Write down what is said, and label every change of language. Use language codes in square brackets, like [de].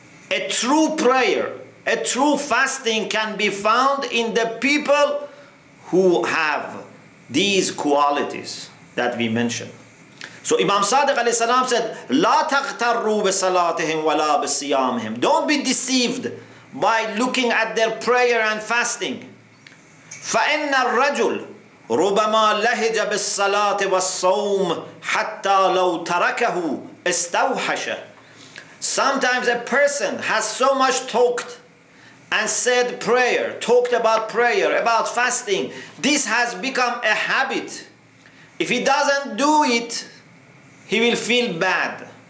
[en] A true prayer, a true fasting can be found in the people who have these qualities that we mentioned. So Imam Sadiq alayhi salam said, [ar] La taghtarru bi salatihim wa la bi siyamihim. [en] Don't be deceived by looking at their prayer and fasting. [ar] فإن الرجل ربما لهج بالصلاة والصوم حتى لو تركه استوحش. [en] Sometimes a person has so much talked and said prayer, talked about prayer, about fasting. This has become a habit. If he doesn't do it, he will feel bad.